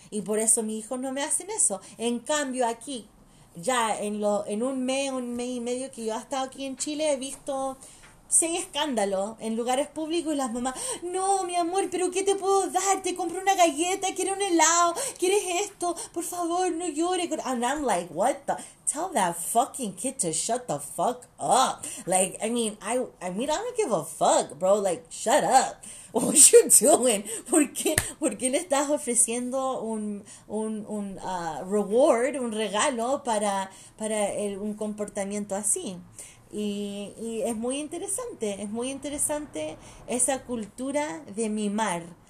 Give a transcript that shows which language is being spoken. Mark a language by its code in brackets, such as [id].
[es] Y por eso mis hijos no me hacen eso. En cambio, aquí, ya en un mes y medio que yo he estado aquí en Chile, he visto 6 escándalos en lugares públicos y las mamás, no, mi amor, pero ¿qué te puedo dar? Te compro una galleta, quiero un helado, ¿quieres esto? Por favor, no llores. [en] And I'm like, what the? Tell that fucking kid to shut the fuck up. Like, I mean, I don't give a fuck, bro. Like, shut up. What are you doing? [es] ¿Por qué le estás ofreciendo un [en] reward, [es] un regalo para un comportamiento así? Y es muy interesante esa cultura de mimar.